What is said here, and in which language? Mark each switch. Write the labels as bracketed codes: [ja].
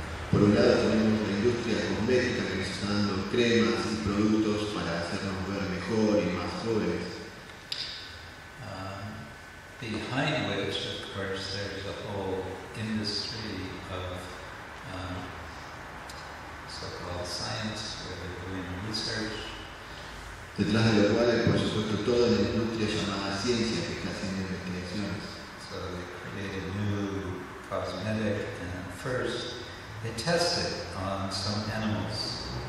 [es] Por un lado tenemos la industria cosmética que nos está dando cremas y productos para hacernos ver mejor y más jóvenes. [en] Behind which, of course, there's a whole industry of so-called science, where they're doing research. [es] Detrás de lo cual hay, por supuesto, toda la industria llamada ciencia que está haciendo investigaciones. [en] So they create a new cosmetic, and first they test it on some animals.